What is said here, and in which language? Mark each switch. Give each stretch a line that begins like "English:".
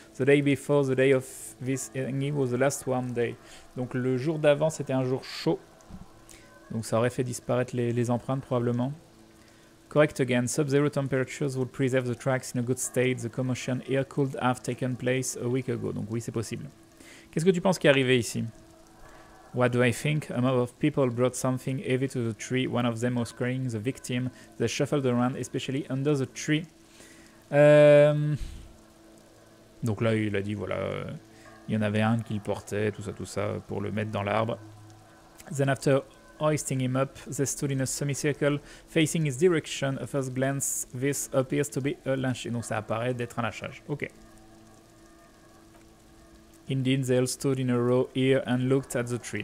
English: The day before, the day of this hanging was the last warm day.
French: Donc le jour d'avant, c'était un jour chaud. Donc ça aurait fait disparaître les empreintes, probablement.
English: Correct again. Sub-zero temperatures would preserve the tracks in a good state. The commotion here could have taken place a week ago.
French: Donc oui, c'est possible. Qu'est-ce que tu penses qui est arrivé ici?
English: What do I think? A mob of people brought something heavy to the tree. One of them was carrying the victim. They shuffled around, especially under the tree.
French: Donc là, il a dit, voilà, il y en avait un qu'il portait, tout ça, pour le mettre dans l'arbre.
English: Then after hoisting him up, they stood in a semicircle, facing his direction. A first glance, this appears to be a lynching.
French: Donc ça apparaît d'être un lynchage.
English: Ok. Indeed, they all stood in a row here and looked at the tree.